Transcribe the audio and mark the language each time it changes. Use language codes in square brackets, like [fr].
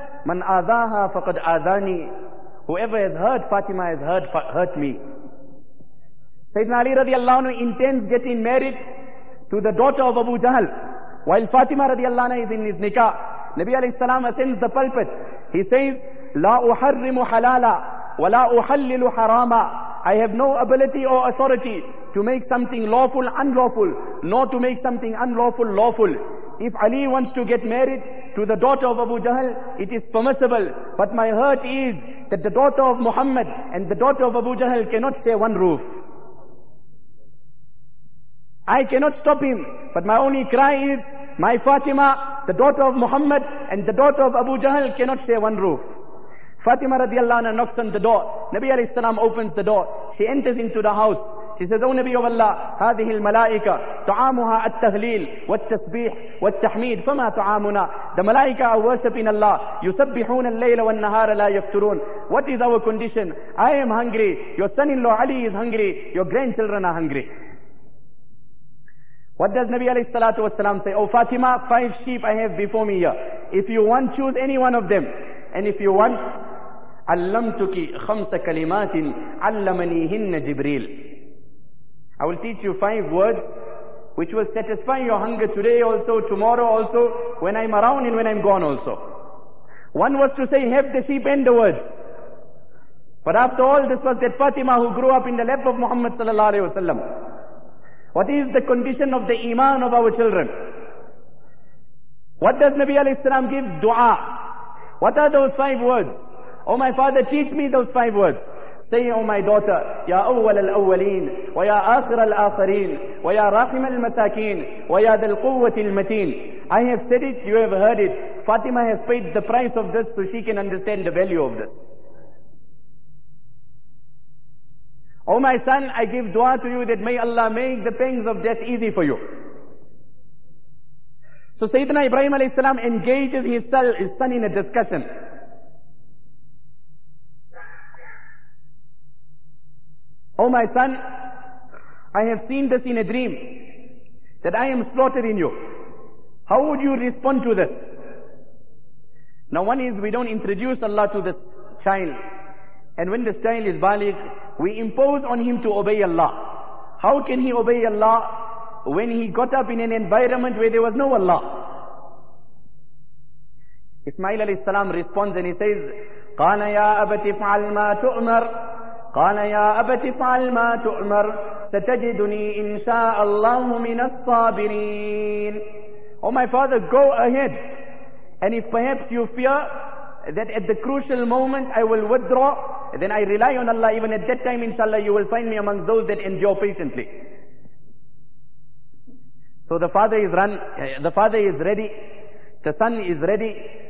[ar] مَنْ آذَاهَا فَقَدْ آذَانِي. [en] Whoever has hurt Fatima has hurt me. Sayyidina Ali radiallahu anhu intends getting married to the daughter of Abu Jahl. While Fatima radiallahu anhu is in his nikah, Nabi alayhi salam ascends the pulpit. He says, [ar] لا أحرم حلالا ولا أحلل حراما. [en] I have no ability or authority to make something lawful unlawful, nor to make something unlawful lawful. If Ali wants to get married to the daughter of Abu Jahl, it is permissible. But my hurt is that the daughter of Muhammad and the daughter of Abu Jahl cannot share one roof. I cannot stop him, but my only cry is, my Fatima, the daughter of Muhammad and the daughter of Abu Jahl cannot share one roof. Fatima radiallahu anha knocks on the door. Nabi alayhi salam opens the door. She enters into the house. She says, O Nabi of Allah, [ar] هذه الملائكة تعامها التهليل والتسبيح والتحميد فما تعامنا. [en] The malaika are worshiping Allah. [ar] يسبحون الليل والنهار لا يفترون. [en] What is our condition? I am hungry. Your son-in-law Ali is hungry. Your grandchildren are hungry. What does Nabi alayhi salatu wasalam say? Oh Fatima, five sheep I have before me here. If you want, choose any one of them. And if you want, [ar] علمتك خمس كلمات علمنيهن جبريل. [en] I will teach you five words which will satisfy your hunger today also, tomorrow also, when I'm around and when I'm gone also. One was to say, have the sheep and the words. But after all, this was that Fatima who grew up in the lap of Muhammad sallallahu alayhi wasallam. What is the condition of the iman of our children? What does Nabi alayhi salam give? Dua. What are those five words? Oh my father, teach me those five words. Say, oh my daughter, [ar] يا أول الأولين ويا آخر الآخرين ويا راحم المساكين ويا ذا القوة المتين. [en] I have said it, you have heard it. Fatima has paid the price of this so she can understand the value of this. Oh my son, I give dua to you that may Allah make the pangs of death easy for you. So Sayyidina Ibrahim alayhi salam engages his son in a discussion. Oh my son, I have seen this in a dream that I am slaughtering you. How would you respond to this? Now one is we don't introduce Allah to this child. And when this child is baligh, we impose on him to obey Allah. How can he obey Allah when he got up in an environment where there was no Allah? Ismail alayhi salam responds and he says, [ar] قَالَ يَا أَبَتِ فَعَلْ مَا تُؤْمَرْ قَالَ يَا أَبَتِ فَعَلْ مَا تُؤْمَرْ سَتَجِدُنِي إِنْ شَاءَ اللَّهُ مِنَ الصَّابِرِينَ. [en] Oh my father, go ahead. And if perhaps you fear that at the crucial moment I will withdraw, then I rely on Allah. Even at that time, inshallah, you will find me among those that endure patiently. So the father is ready, the son is ready.